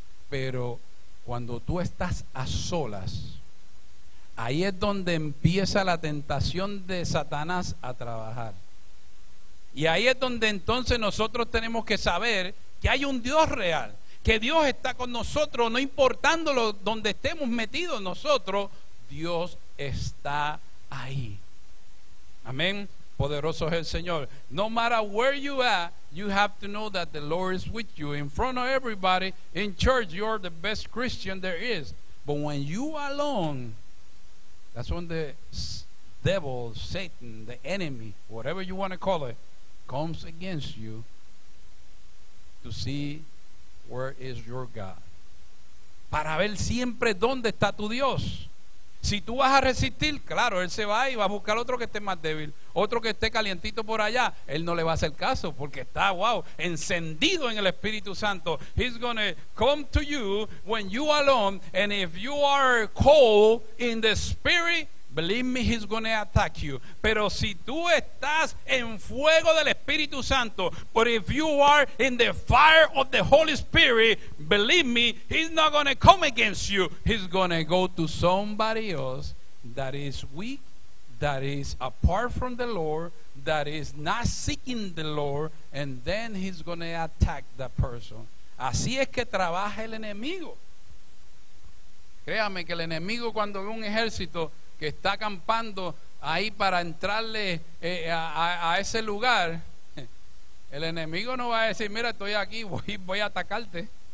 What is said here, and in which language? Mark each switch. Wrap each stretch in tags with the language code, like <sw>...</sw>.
<es>Pero cuando tú estás a solas, ahí es donde empieza la tentación de Satanás a trabajar. Y ahí es donde entonces nosotros tenemos que saber que hay un Dios real, que Dios está con nosotros, no importando donde estemos metidos nosotros, Dios está ahí. Amén. Poderoso es el Señor.</es> <en>No matter where you are, you have to know that the Lord is with you. In front of everybody, in church, you're the best Christian there is. But when you are alone, that's when the devil, Satan, the enemy, whatever you want to call it, comes against you to see where is your God.</en> <es>Para ver siempre dónde está tu Dios. Si tú vas a resistir, claro, él se va y va a buscar otro que esté más débil, otro que esté calientito por allá. Él no le va a hacer caso porque está, wow, encendido en el Espíritu Santo.</es> <en>He's going to come to you when you are alone, and if you are cold in the spirit, believe me, he's going to attack you.</en> <es>Pero si tú estás en fuego del Espíritu Santo,</es> <en>but if you are in the fire of the Holy Spirit, believe me, he's not going to come against you. He's going to go to somebody else that is weak, that is apart from the Lord, that is not seeking the Lord, and then he's going to attack that person.</en> <es>Así es que trabaja el enemigo. Créame que el enemigo cuando ve un ejército que está acampando ahí para entrarle a ese lugar, el enemigo no va a decir, mira, estoy aquí, voy a atacarte.</es>